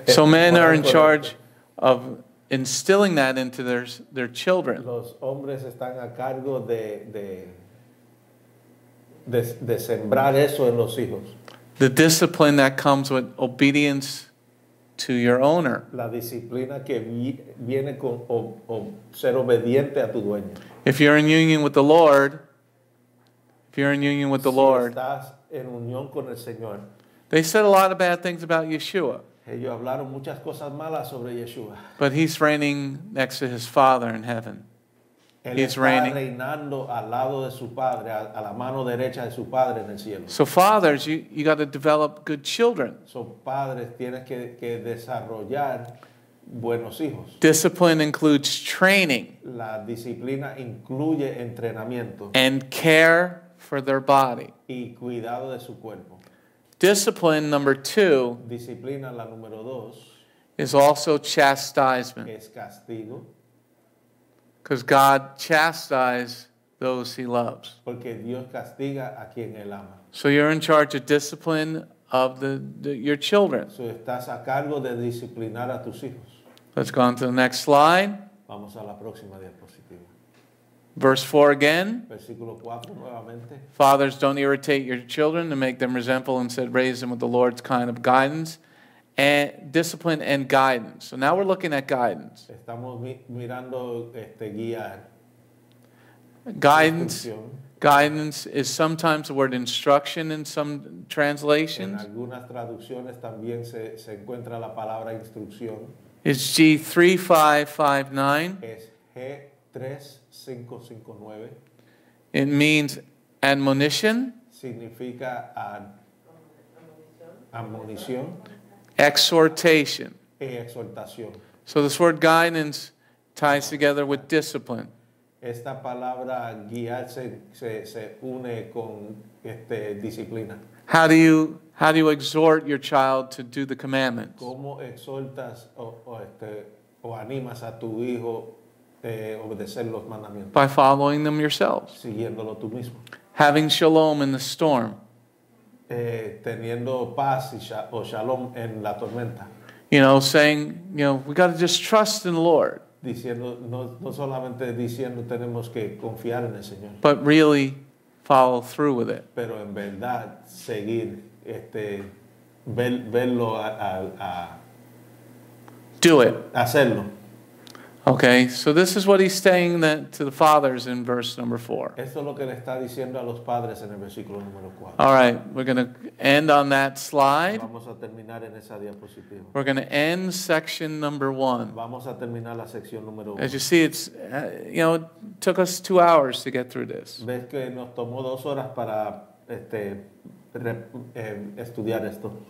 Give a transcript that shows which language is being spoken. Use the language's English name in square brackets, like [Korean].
[English] So men are in charge of instilling that into their children. [Spanish] Los hombres están a cargo de sembrar eso en los hijos. [English] The discipline that comes with obedience to your owner. [Spanish] La disciplina que viene con ser obediente a tu dueño. [English] If you're in union with the Lord, if you're in union with the [Spanish] si [English] Lord, [Spanish] estás en unión con el Señor, [English] they said a lot of bad things about Yeshua. [Spanish] Ellos hablaron muchas cosas malas sobre Yeshua. [English] But he's reigning next to his Father in heaven. [Spanish] Él [English] he's reigning. [Spanish] Reinando al lado de su padre, a la mano derecha de su padre en el cielo. [English] So fathers, you got to develop good children. [Spanish] So padres, tienes que desarrollar buenos hijos. [English] Discipline includes training. [Spanish] La disciplina incluye entrenamiento. [English] And care for their body. [Spanish] Y cuidado de su cuerpo. [English] Discipline number two. [Spanish] Disciplina la número dos. [English] Is also chastisement. [Spanish] Es castigo. [English] Because God chastises those he loves. [Spanish] Porque Dios castiga a quien él ama. [English] So you're in charge of discipline of your children. [Spanish] So estás a cargo de disciplinar a tus hijos. [English] Let's go on to the next slide. [Spanish] Vamos a la próxima diapositiva. [English] Verse 4 again. [Spanish] Versículo 4, nuevamente. [English] Fathers, don't irritate your children to make them resentful. Instead, raise them with the Lord's kind of guidance and discipline and guidance. So now we're looking at guidance. [Spanish] Estamos mirando, guiar. [English] Guidance. Guidance is sometimes the word instruction in some translations. [Spanish] En algunas traducciones también se encuentra la palabra instrucción. [English] It's G3559. [Spanish] Es G3559. [English] It means admonition. [Spanish] Significa admonición. [English] Exhortation. [Spanish] Exhortación. [English] So this word guidance ties together with discipline. [Spanish] Esta palabra guiar se une con disciplina. [English] How do you exhort your child to do the commandments? [Spanish] ¿Cómo exhortas o animas a tu hijo obedecer los mandamientos? [English] By following them yourselves. [Spanish] Siguiéndolo tú mismo. [English] Having shalom in the storm. [Spanish] Teniendo paz o shalom en la tormenta. [English] You know, saying, you know, we got to just trust in the Lord. [Spanish] Diciendo, no solamente diciendo tenemos que confiar en el Señor. [English] But really follow through with it. [Spanish] Pero en verdad seguir verlo a [English] do it. [Spanish] Hacerlo. [English] Okay, so this is what he's saying that to the fathers in verse number 4. [Spanish] Esto es lo que le está diciendo a los padres en el versículo número 4. [English] All right, we're going to end on that slide. [Spanish] Vamos a terminar en esa diapositiva. [English] We're going to end section number 1. [Spanish] Vamos a terminar la sección número 1. [English] As you see, it's it took us 2 hours to get through this. [Spanish] Ves que nos tomó 2 horas para estudiar esto.